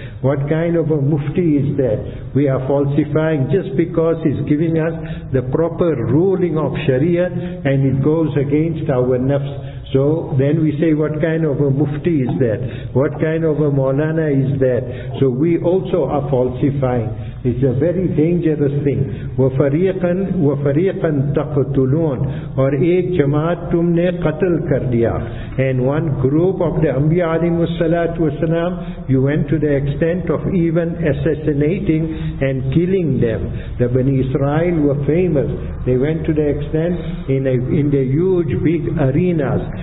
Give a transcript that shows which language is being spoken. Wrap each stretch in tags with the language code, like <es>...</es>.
<en>What kind of a mufti is that? We are falsifying just because he's giving us the proper ruling of Sharia and it goes against our nafs. So then we say, what kind of a mufti is that? What kind of a maulana is that? So we also are falsifying. It's a very dangerous thing.</en> <ar>وَفَرِيقًا تَقْتُلُونَ</ar> <ur>اور ایک جماعت تم نے قتل کر دیا.</ur> <en>And one group of the Anbiya alayhi salatu wasalam, you went to the extent of even assassinating and killing them. The Bani Israel were famous. They went to the extent in the huge big arenas.</en>